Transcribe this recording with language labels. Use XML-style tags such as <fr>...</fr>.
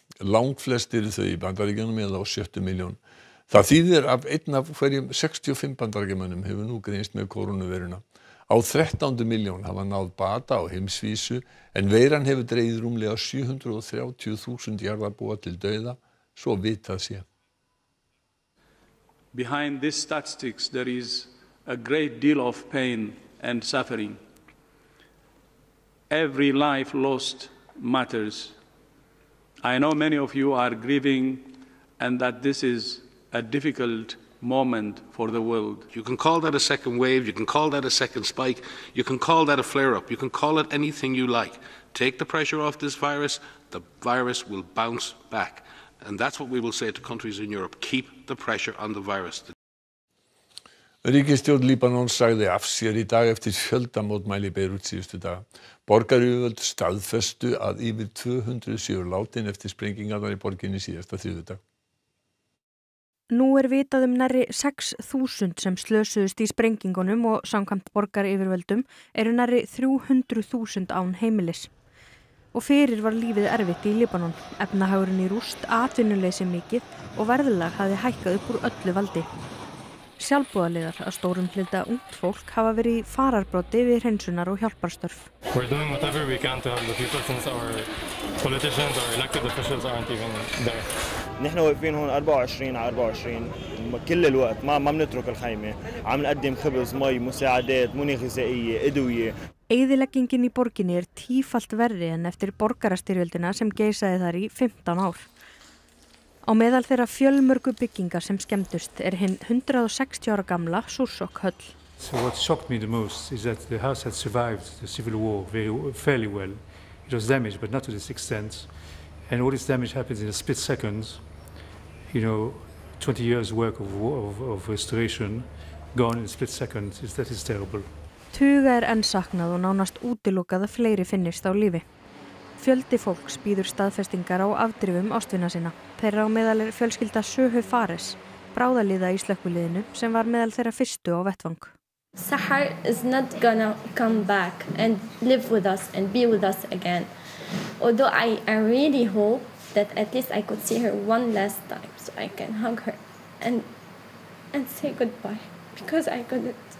<is>Langflestir þau í Bandaríkjunum eða á 70 milljón. Það þýðir af einn af hverjum 65 bandaríkjamönnum hefur nú greinst með koronaveiruna. Á 13 milljón hafa náð bata á heimsvísu, en veiran hefur dregið rúmlega 730.000 jarðarbúa til dauða, svo vitað sé.</is> <en>Behind these statistics, there is a great deal of pain and suffering. Every life lost matters. I know many of you are grieving and that this is a difficult moment for the world. You can call that a second wave, you can call that a second spike, you can call that a flare-up, you can call it anything you like. Take the pressure off this virus, the virus will bounce back. And that's what we will say to countries in Europe. Keep the pressure on the virus.</en> <is>Ríkisstjórn Líbanon sagði af sér í dag eftir fjölda mótmæli í Beirut síðustu dag. Borgaryfirvöld staðfestu að yfir 200 séu látin eftir sprengingarnar í borginni síðasta þriðjudag. Nú er vitað nærri 6.000 sem slösuðust í sprengingunum og samkvæmt borgaryfirvöldum eru nærri 300.000 án heimilis. Og fyrir var lífið erfitt í Líbanon, efnahagurinn í rúst, atvinnuleysi mikið og verðlag hafði hækkað upp úr öllu valdi. Sjálfboðaliðar að stórum hluta ungt fólk hafa verið fararbroti við hreinsunar og hjálparstörf.</is> <en>We're doing whatever we can to help the people since our politicians or elected officials aren't even there.</en> <ar>نحن واقفين هون 24/24 كل الوقت ما بنترك الخيمة عم نقدم خبز مي مساعدات مني غذائية أدوية.</ar> <is>Eyðileggingin í borginni er tífalt verri en eftir borgarastyrjöldina sem geisaði þar í 15 ár. Á meðal þeirra fjölmörgu bygginga sem skemmdust er hinn 160 ára gamla Sursok höll.</is> <en>So what shocked me the most is that the house had survived the civil war fairly well. It was damaged but not to this extent. And all this damage happens in a split seconds. You know, 20 years work of restoration gone in a split seconds. That is terrible.</en> <is>Tuga er enn saknað og nánast útilokað að fleiri finnist á lífi. Fjöldi fólks býður staðfestingar á afdrifum ástvina sinna. Þeirra á meðal er fjölskylda Söhu Fares, bráðaliða í slökkviliðinu sem var meðal þeirra fyrstu á vettvang.</is> <en>Sahar is not gonna come back and live with us and be with us again. Although I really hope that at least I could see her one last time so I can hug her and say goodbye because I couldn't.</en>